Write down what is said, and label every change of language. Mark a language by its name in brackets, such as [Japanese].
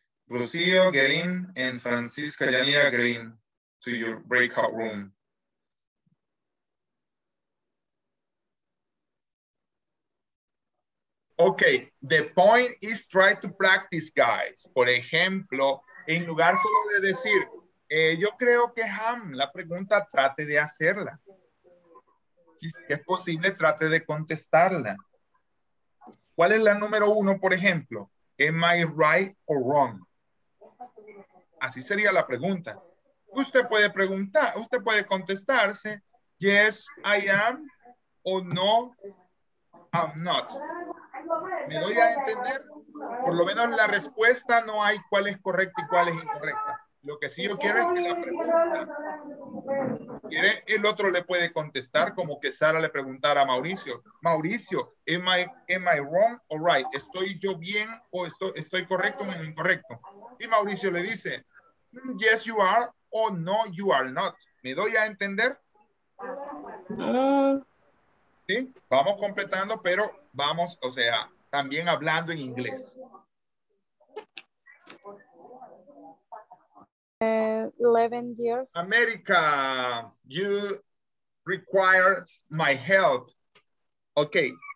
[English] Rocio Guerin and Francisca Yanira Guerin to your breakout room. Okay, the point is try to practice, guys. [Spanish] Por ejemplo, en lugar solo de decir, yo creo que Ham, la pregunta, trate de hacerla. Si es posible, trate de contestarla. ¿Cuál es la número uno, por ejemplo? [English] Am I right or wrong? [Spanish] Así sería la pregunta. Usted puede preguntar, usted puede contestarse. [English] Yes, I am. [Spanish] O [English] no, I'm not. [Spanish] ¿Me doy a entender? Por lo menos la respuesta no hay cuál es correcta y cuál es incorrecta. Lo que sí yo quiero es que la pregunta... ¿Quiere? El otro le puede contestar como que Sara le preguntara a Mauricio. Mauricio, [English] am I wrong or right? [Spanish] ¿Estoy yo bien o estoy correcto o incorrecto? Y Mauricio le dice, [English] yes you are [Spanish] o [English] no you are not. [Spanish] ¿Me doy a entender? Sí, vamos completando, pero vamos, o sea, también hablando en inglés. [English] Eleven years. America, you require my help. Okay.